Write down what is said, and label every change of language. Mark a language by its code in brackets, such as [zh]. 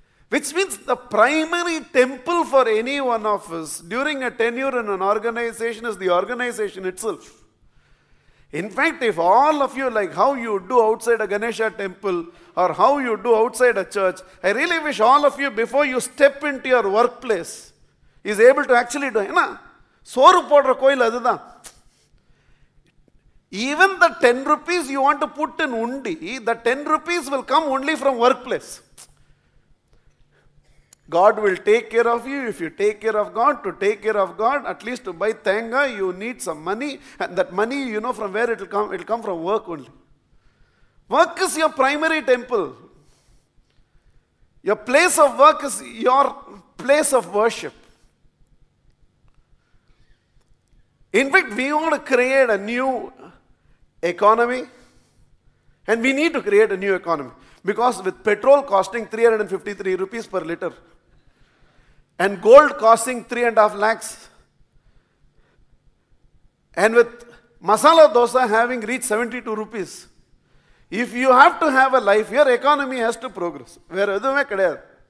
[en] Which means the primary temple for any one of us during a tenure in an organization is the organization itself. In fact, if all of you like how you do outside a Ganesha temple or how you do outside a church, I really wish all of you before you step into your workplace is able to actually do it. [ta] சோறு போடுற கோயில் அதுதான். [en] Even the 10 rupees you want to put in உண்டி, the 10 rupees will come only from work place. God will take care of you if you take care of God. To take care of God, at least to buy தேங்காய் you need some money, and that money you know from where it come, it come from work only. Work is your primary temple, your place of work is your place of worship. In fact, we want to create a new economy and we need to create a new economy because with petrol costing 353 rupees per liter and gold costing 3.5 lakhs and with masala dosa having reached 72 rupees, if you have to have a life, your economy has to progress. Where other way kadaiyad.